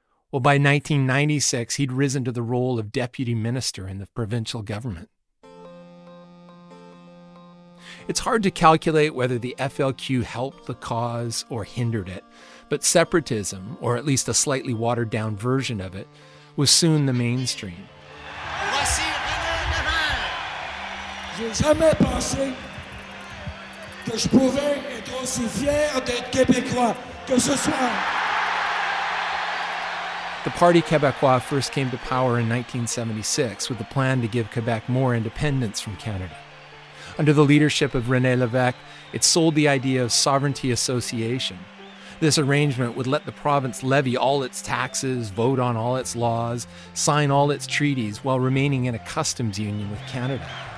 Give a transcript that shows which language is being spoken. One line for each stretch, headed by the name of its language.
English: Well, by 1996, he'd risen to the role of deputy minister in the provincial government. It's hard to calculate whether the FLQ helped the cause or hindered it, but separatism, or at least a slightly watered-down version of it, was soon the mainstream.
French: Voici René Lévesque. J'ai jamais pensé que je pouvais être aussi fier d'être Québécois que ce soir.
English: The Parti Québécois first came to power in 1976 with a plan to give Quebec more independence from Canada. Under the leadership of René Lévesque, it sold the idea of sovereignty association. This arrangement would let the province levy all its taxes, vote on all its laws, sign all its treaties while remaining in a customs union with Canada.